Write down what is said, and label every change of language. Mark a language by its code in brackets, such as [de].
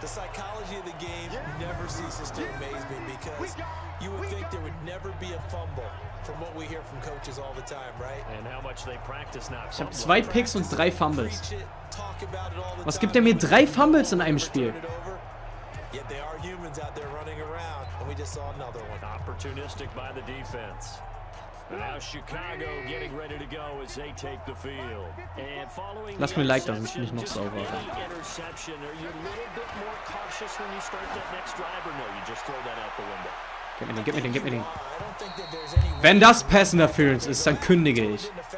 [en] The psychology of the game never ceases to amaze me because you would think there would never be a fumble from what we hear from coaches all the time, right? And how much they practice not. [de] Ich habe 2 Picks und 3 Fumbles. Was gibt er mir 3 Fumbles in einem Spiel? [en] Yet there are humans out there running around, and we just saw another one. Opportunistic by the defense. Now Chicago getting ready to go as they take the field. And following [de] lass mir like, dass ich mich noch sauber habe. Interception. [en] Are you a little bit more cautious when you start that next drive, or no, you just throw that out the window? [de] Gib mir den. Wenn das Pass Interference ist, dann kündige ich.